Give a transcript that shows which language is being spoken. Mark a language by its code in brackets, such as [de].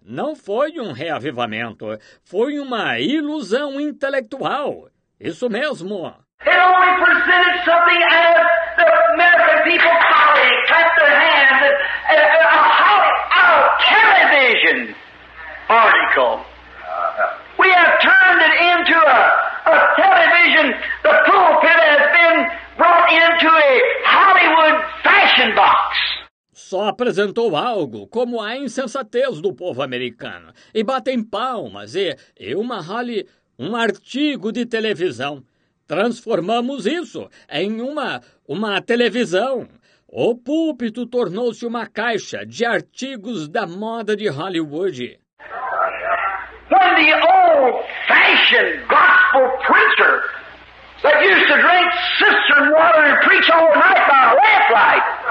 [pt] Não foi um reavivamento. Foi uma ilusão intelectual. Isso mesmo. [en] It only presented something as the American people finally clapped their hands and a television article. We have turned it into a television. The pulpit has been brought into a Hollywood fashion box. [pt] Só apresentou algo como a insensatez do povo americano. E batem palmas e uma Holly, um artigo de televisão. Transformamos isso em uma televisão. O púlpito tornou-se uma caixa de artigos da moda de Hollywood. [en] When the old-fashioned gospel preacher that used to drink cistern water and preach all night by lamplight.